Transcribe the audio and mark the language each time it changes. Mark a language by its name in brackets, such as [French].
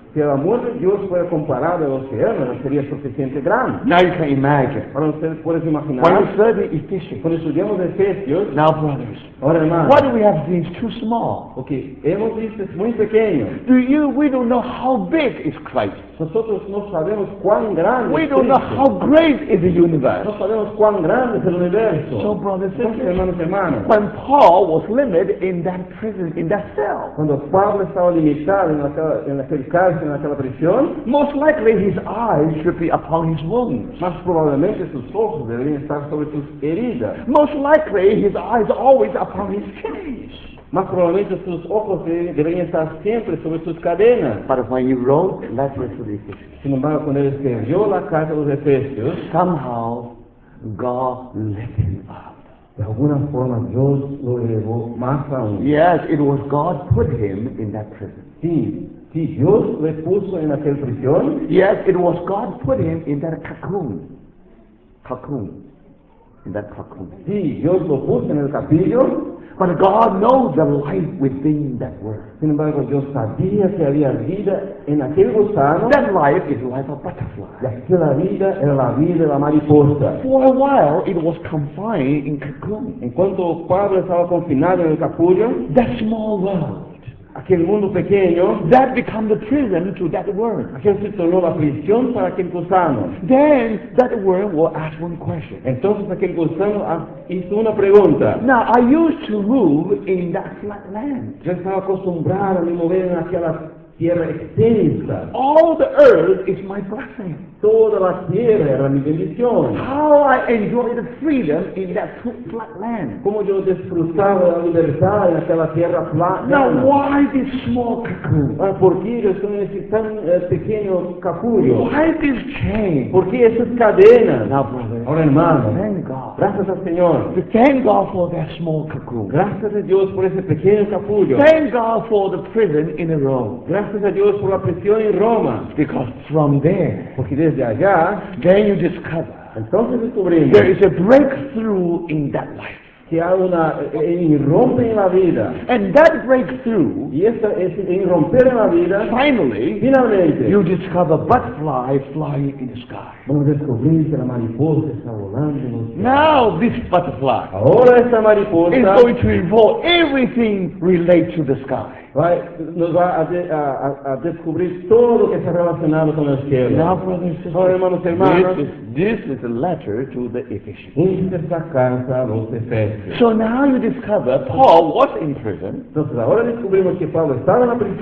[Spanish] Si el amor de Dios fuera comparado al océano, no sería suficiente grande. [English] Now you can imagine. [Spanish] Ahora ustedes pueden imaginar. [English] When we study Ephesians, [Spanish] cuando estudiamos Efesios. [English] Now brothers. [Spanish] Ahora hermanos. [English] What do we have seen? Too small. [Spanish] Okay. Hemos visto muy pequeño. [English] Do you? We don't know how big is Christ. [Spanish] Nosotros no sabemos cuán grande. [English] We don't know how great is the universe. [Spanish] No sabemos cuán grande es el universo. [English] So brothers, [Spanish] entonces, hermanos, hermanos. [English] When Paul was limited in that prison, in that cell. [Spanish] Cuando Pablo estaba limitado en la cárcel. en aquella prisión, [English] most likely his eyes should be upon his wounds. [Spanish] Más probablemente sus ojos deberían estar sobre sus heridas. [English] Most likely his eyes always upon his chains. [Spanish] Más probablemente sus ojos deberían estar siempre sobre sus cadenas. [English] But when he wrote letters to the Ephesians, [Spanish] sin embargo, cuando él escribió la carta a los Efesios, [English] somehow God lifted him up. [Spanish] De alguna forma Dios lo elevó más aún. [English] Yes, it was God put him in that prison. [Spanish] Sí, Dios le puso en aquel prisión. [English] Yes, it was God put him in that cocoon. In that cocoon. [Spanish] Sí, Dios lo puso en el castillo. [English] But God knows the life within that world. [Spanish] Sin embargo, Dios sabía que había vida en aquel gusano. [English] That life is like a butterfly. [Spanish] Y aquella vida era la vida de la mariposa. [English] For a while, it was confined in cocoon. [Spanish] En cuanto Pablo estaba confinado en el capullo, [English] that small world, [Spanish] aquel mundo pequeño, [English] that became the prison to that worm. [Spanish] Aquel se tornó la prisión para aquel gusano. [English] Then that worm will ask one question. [Spanish] Entonces aquel gusano hizo una pregunta. [English] Now I used to move in that flat land. [Spanish] Yo estaba acostumbrado a mover en aquella tierra extensa. [English] All the earth is my blessing. [Spanish] Toda la tierra era mi bendición. [English] How I enjoyed the freedom in that flat land. [Spanish] Como yo disfrutaba la libertad en aquella tierra plana. [English] Now why this small cocoon? [Spanish] ¿Por qué yo estoy en ese tan pequeño capullo? [English] Why this chain? [Spanish] ¿Por qué esas cadenas? [English] Now brother, [Spanish] ahora hermano, [English] thank God. [Spanish] Gracias al Señor. [English] Thank God for that small cocoon. [Spanish] Gracias a Dios por ese pequeño capullo. [English] Thank God for the prison in Rome. [Spanish] Gracias a Dios por la prisión en Roma. [English] Because from there, [Spanish] y desde allá, [English] then you discover, [Spanish] entonces descubrimos, [English] there is a breakthrough in that life, [Spanish] que hay una irrumpe en la vida, [English] and that breakthrough, [Spanish] y esa es irrumpir en la vida, [English] finally, you discover butterfly flying in the sky. [Spanish] Vamos a descubrir que la mariposa está volando. [English] Now this butterfly, [Spanish] ahora esta mariposa, [English] is going to involve everything related to the sky. [Spanish] Nos va a descubrir todo lo que está relacionado con el cielo. [English] Now, brothers, [Spanish] ahora, hermanos y hermanas, [English] this is a letter to the Ephesians. [Spanish] Esta es la carta a los Efesios. [English] So now you discover Paul was in prison. [Spanish] Entonces ahora descubrimos que Pablo estaba en la prisión.